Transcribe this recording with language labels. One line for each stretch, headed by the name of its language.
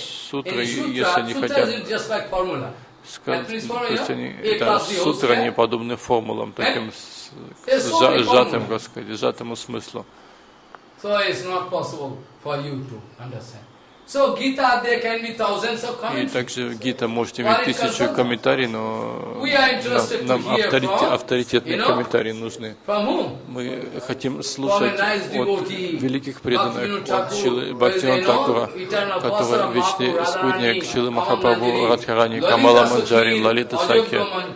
Russian: сутры, если они хотят, это сутры, они подобны формулам, таким сжатым, как сказать, сжатому смыслу.
English: So it's not possible for you to understand. So Gita, there can be thousands of comments.
Russian: И также Гита может иметь тысячу комментариев, но нам авторитетные комментарии нужны. Мы хотим слушать от великих преданных, от Шрилы Бхактивинода Тхакура, который вечный спутник Шрилы Махапрабху, Радхарани, Камала Манджари, Лалита Сакья.